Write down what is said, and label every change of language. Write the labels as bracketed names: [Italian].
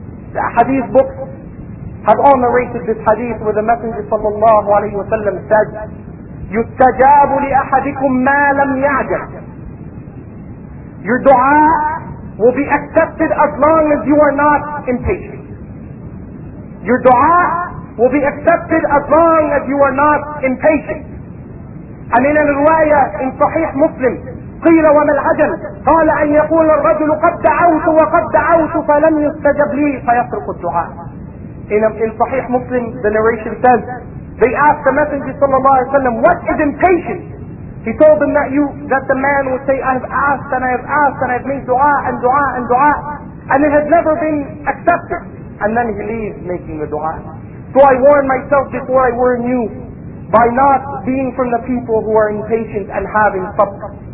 [English] The hadith book have all narrated this hadith where the Messenger sallallahu alayhi wa sallam said, [Arabic] يُتَّجَابُ لِأَحَدِكُمْ مَا لَمْ يَعْجَبْ. [English] Your dua will be accepted as long as you are not impatient. Your dua will be accepted as long as you are not impatient. And in a riwayah in Sahih Muslim, [Arabic] قيل وما العجل؟ قال أن يقول الرجل قد دعوت وقد دعوت فلم يستجب لي فيترك الدعاء. [English] In Sahih Muslim, the narration says, they asked the Messenger sallallahu alayhi wa sallam, what is impatience? He told them that the man would say, I have asked and I have asked and I have made dua and dua and dua, and it has never been accepted. And then he leaves making the dua. So I warn myself before I warn you, by not being from the people who are impatient and having sabr.